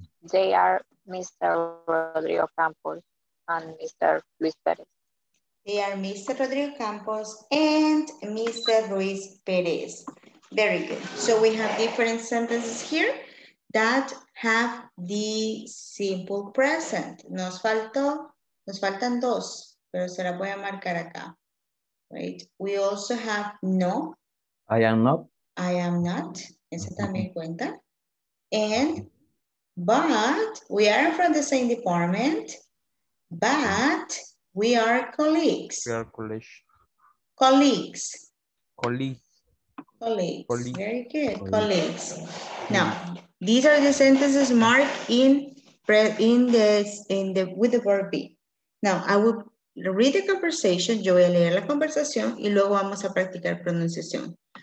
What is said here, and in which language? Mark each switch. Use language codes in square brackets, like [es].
[en] They are Mr. Rodrigo Campos and Mr. Luis Perez. They are Mr. Rodrigo Campos and Mr. Luis Perez. Very good. So we have different sentences here that have the simple present. [es] Nos faltan dos, pero se la voy a marcar acá. [en] Right. We also have no. I am not. I am not. [es] Ese también cuenta. [en] And, but, we are from the same department, but we are colleagues. We are colleagues. Colleagues. Colleagues. Colleagues. Colleagues. Very good. Colleagues. Colleagues. Now, these are the sentences marked in the with the verb be. Now, I will read the conversation. [es] Yo voy a leer la conversación y luego vamos a practicar pronunciación.